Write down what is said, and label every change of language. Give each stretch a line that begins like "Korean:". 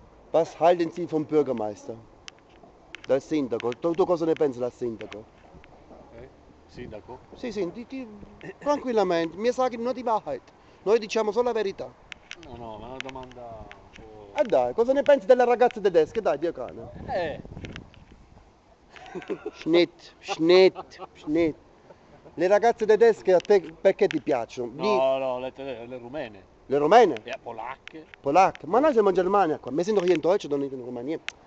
German: Was halten Sie vom Bürgermeister?
Italian: Dal sindaco? Tu cosa ne pensi dal sindaco? Sindaco? Sì, sì, ti, tranquillamente, mi sa che non è di Wahrheit. Noi diciamo solo la verità. No, no, ma una domanda... Oh. Dai, cosa ne pensi delle ragazze tedesche? Dai, via cane.
German: Schnitt, Schnitt, Schnitt.
Italian: Le ragazze tedesche a te perché ti piacciono? No, no, le rumene. Le rumene? E polacche. Polacche? Ma noi siamo in Germania qua. Mi sento che io in Deutsche non in Romania.